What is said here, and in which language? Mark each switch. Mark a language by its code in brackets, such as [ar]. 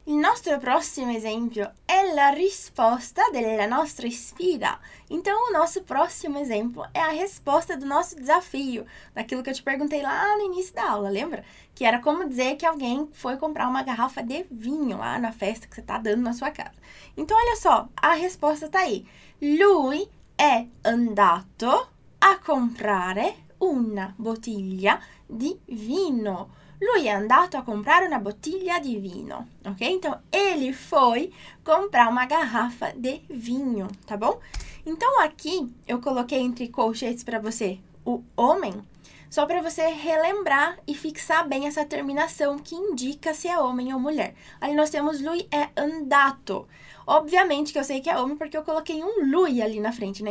[it] Il nostro prossimo esempio è la risposta della nostra sfida. [pt] Então, o nosso próximo esempio é a resposta do nosso desafio, daquilo que eu te perguntei lá no início da aula, lembra? Que era como dizer que alguém foi comprar uma garrafa de vinho lá na festa que você está dando na sua casa. Então, olha só, a resposta está aí. [it] Lui è andato a comprare una bottiglia di vino. Lui è andato a comprare una bottiglia di vino, ok? [pt] Então, ele foi comprar uma garrafa de vinho, tá bom? Então, aqui eu coloquei entre colchetes para você o homem, só para você relembrar e fixar bem essa terminação que indica se é homem ou mulher. Ali nós temos [it] lui è andato. [pt] Obviamente que eu sei que é homem porque eu coloquei um lui ali na frente, né?